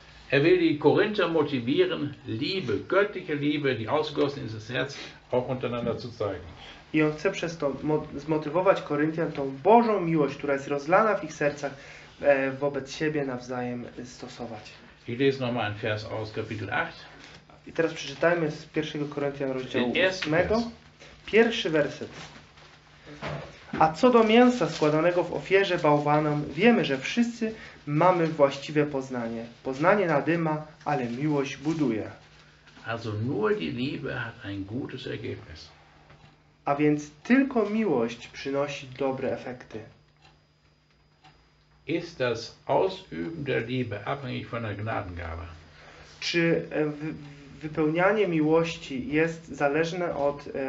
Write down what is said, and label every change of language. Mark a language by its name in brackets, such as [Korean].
[German] Er will die Korinther motivieren, Liebe, göttliche Liebe, die ausgegossen ist ins Herz, auch untereinander zu zeigen. [Polish] I on chce przez to zmotywować Koryntian tą Bożą miłość, która jest rozlana w ich sercach, wobec siebie nawzajem stosować. [German] Ich lese nochmal einen Vers aus Kapitel 8. [Polish] I teraz przeczytajmy z 1 Koryntian rozdziału 8. Pierwszy werset. A co do mięsa składanego w ofierze bałwanom, wiemy, że wszyscy mamy właściwe poznanie. Poznanie nadyma, ale miłość buduje. [German] Also nur die Liebe hat ein gutes Ergebnis. [Polish] A więc tylko miłość przynosi dobre efekty. [German] Ist das Ausüben der Liebe abhängig von der Gnadengabe? [Polish] Czy wypełnianie miłości jest zależne od